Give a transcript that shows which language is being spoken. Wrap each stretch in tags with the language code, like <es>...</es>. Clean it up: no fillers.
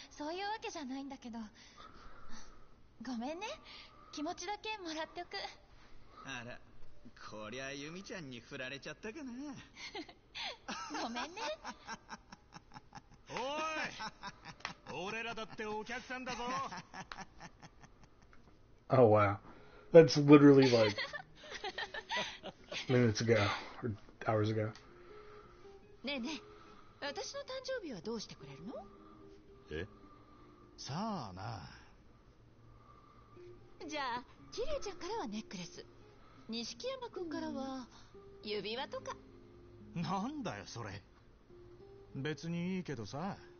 <ja>そういうわけじゃないんだけど。ごめんね、気持ちだけもらっておく。あら、こりゃユミちゃんに振られちゃったかな。ごめんね。おい、俺らだってお客さんだぞ。</ja> <en>Oh wow, that's literally like minutes ago or hours ago.</en> <ja>ねえねえ、私の誕生日はどうしてくれるの？え？さあな。じゃあキリエちゃんからはネックレス、錦山くんからは指輪とか。なんだよそれ。別にいいけどさ。</ja>